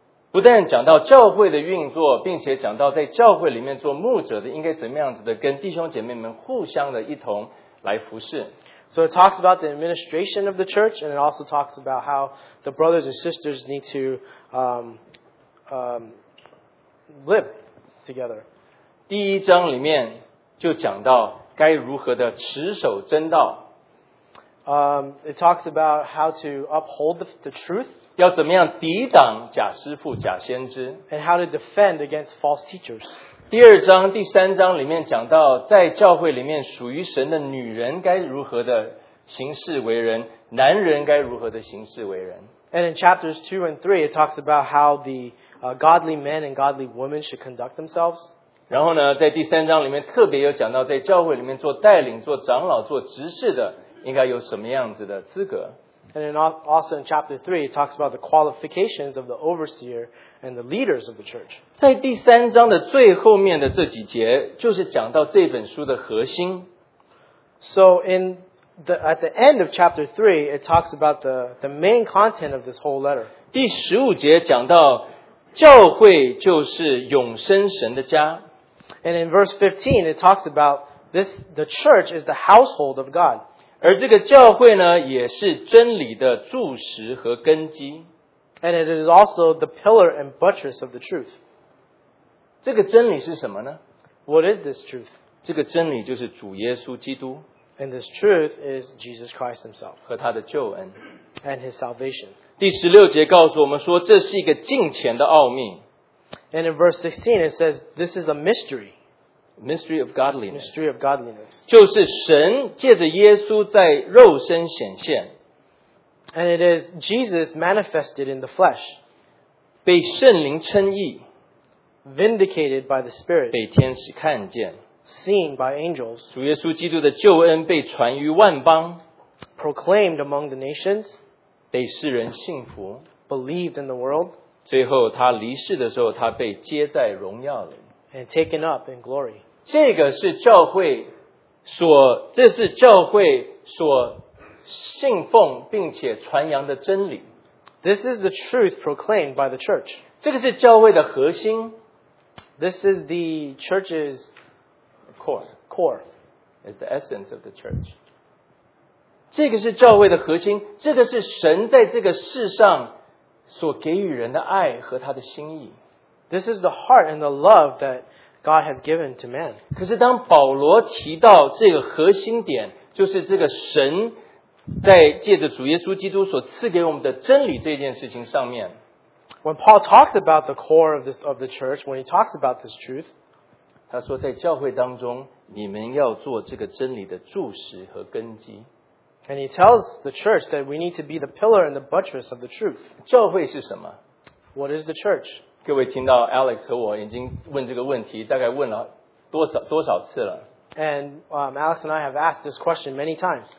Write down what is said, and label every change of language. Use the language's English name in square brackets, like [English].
[Chinese] 不但讲到教会的运作，并且讲到在教会里面做牧者的应该怎么样子的跟弟兄姐妹们互相的一同来服侍。 [English] So it talks about the administration of the church, and it also talks about how the brothers and sisters need to live together. [Chinese] 第一章里面就讲到该如何的持守真道。 [English] It talks about how to uphold the truth. [Chinese] 要怎么样抵挡假师父、假先知。 [English] And how to defend against false teachers. [Chinese] 第二章、第三章里面讲到，在教会里面属于神的女人该如何的行事为人，男人该如何的行事为人。 [English] And in chapters 2 and 3, it talks about how the godly men and godly women should conduct themselves. [Chinese] 然后呢，在第三章里面特别有讲到，在教会里面做带领、做长老、做执事的，应该有什么样子的资格。 [English] And then also in chapter 3, it talks about the qualifications of the overseer and the leaders of the church. [Chinese] 在第三章的最后面的这几节就是讲到这本书的核心。 [English] So at the end of chapter 3, it talks about the main content of this whole letter. [Chinese] 第十五节讲到教会就是永生神的家。 [English] And in verse 15, it talks about the church is the household of God. [Chinese] 而这个教会呢，也是真理的柱石和根基。 [English] And it is also the pillar and buttress of the truth. [Chinese] 这个真理是什么呢？ [English] What is this truth? [Chinese] 这个真理就是主耶稣基督。 [English] And this truth is Jesus Christ himself. [Chinese] 和他的救恩。 [English] And his salvation. [Chinese] 第十六节告诉我们说，这是一个敬虔的奥秘。 [English] And in verse 16 it says, this is a mystery. Mystery of godliness. Mystery of godliness. [Chinese] 就是神借着耶稣在肉身显现。 [English] And it is Jesus manifested in the flesh. [Chinese] 被圣灵称义。 [English] Vindicated by the Spirit. [Chinese] 被天使看见。 [English] Seen by angels. [Chinese] 主耶稣基督的救恩被传于万邦。 [English] Proclaimed among the nations. [Chinese] 被世人信服。 [English] Believed in the world. [Chinese] 最后他离世的时候，他被接在荣耀里。 [English] And taken up in glory. [Chinese] 这个是教会所，这是教会所信奉并且传扬的真理。 [English] This is the truth proclaimed by the church. [Chinese] 这个是教会的核心。 [English] This is the church's core. It's the essence of the church. [Chinese] 这个是教会的核心，这个是神在这个世上 [English] This is the heart and the love that God has given to man. [Chinese] 可是当保罗提到这个核心点, 就是这个神在借着主耶稣基督所赐给我们的真理这件事情上面, [English] when Paul talks about the core of the church, when he talks about this truth, [Chinese] 他说在教会当中, 你们要做这个真理的柱石和根基。 [English] And he tells the church that we need to be the pillar and the buttress of the truth. [Chinese] 教会是什么? [English] What is the church? [Chinese] 各位听到Alex和我已经问这个问题大概问了多少次了。 [English] And Alex and I have asked this question many times.